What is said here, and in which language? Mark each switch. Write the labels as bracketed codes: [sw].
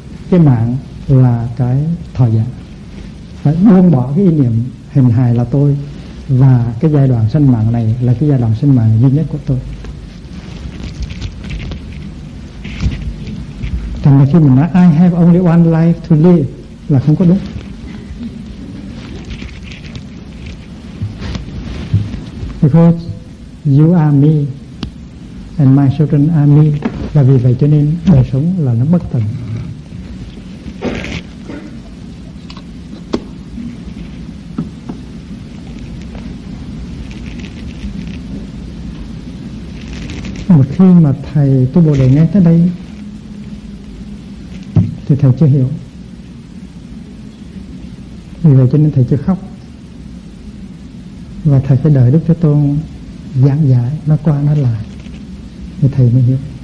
[vi] Cái mạng là cái thọ giả. Phải buông bỏ cái ý niệm hình hài là tôi và cái giai đoạn sinh mạng này là cái giai đoạn sinh mạng duy nhất của tôi. Thành ra khi mình nói [en] I have only one life to live [vi] là không có đúng. [en] Because you are me and my children are me. [vi] Và vì vậy cho nên đời sống là nó bất tận. Một khi mà thầy Tu Bồ Đề nghe tới đây thì thầy chưa hiểu, vì vậy cho nên thầy chưa khóc, và thầy phải đợi Đức Thế Tôn giảng giải nó qua nó lại thì thầy mới hiểu.